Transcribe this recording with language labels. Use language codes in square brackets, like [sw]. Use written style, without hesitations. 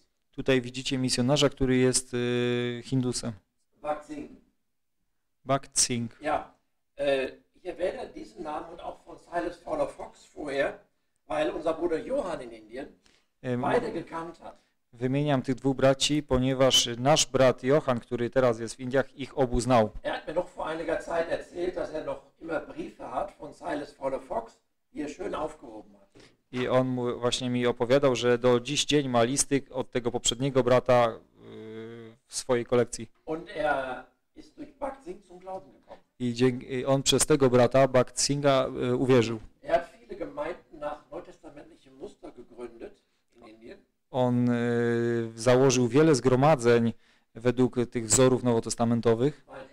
[pl] Tutaj widzicie misjonarza, który jest Hindusem. Bhakt Singh. [de] Ja. Ich erwähne diesen Namen und auch von Silas Fowler Fox vorher, weil unser Bruder Johann in Indien beide gekannt hat. [pl] Wymieniam tych dwóch braci, ponieważ nasz brat Johann, który teraz jest w Indiach, ich obu znał. [de] Er hat mir noch vor einiger Zeit erzählt, dass er noch immer Briefe hat von Silas Fowler Fox, die er schön aufgehoben hat. [pl] I on właśnie mi opowiadał, że do dziś dzień ma listy od tego poprzedniego brata w swojej kolekcji. [de] Und er ist durch Bhakt Singh zum Glauben gekommen. [pl] I on przez tego brata, Bhakt Singha, uwierzył. [de] Er hat viele Gemeinden nach neutestamentlichem Muster gegründet in Indien. [pl] On założył wiele zgromadzeń według tych wzorów nowotestamentowych.